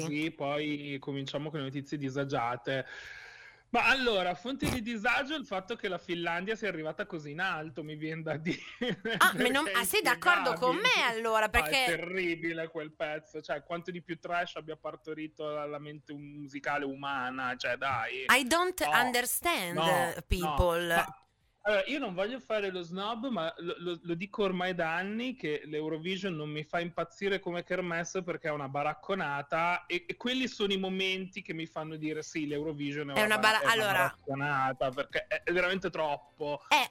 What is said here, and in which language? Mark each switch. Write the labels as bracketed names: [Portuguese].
[Italian] Così poi cominciamo con le notizie disagiate. Ma allora, fonti di disagio, il fatto che la Finlandia sia arrivata così in alto, mi viene da dire. Sei d'accordo con me allora? Perché... Ah, è terribile quel pezzo, cioè quanto di più trash abbia partorito la mente musicale umana, cioè dai. [English] I don't understand people. [Italian] Allora, io non voglio fare lo snob, ma lo dico ormai da anni che l'Eurovision non mi fa impazzire come kermesse, perché è una baracconata, e quelli sono i momenti che mi fanno dire sì, l'Eurovision è una baracconata, perché è veramente troppo.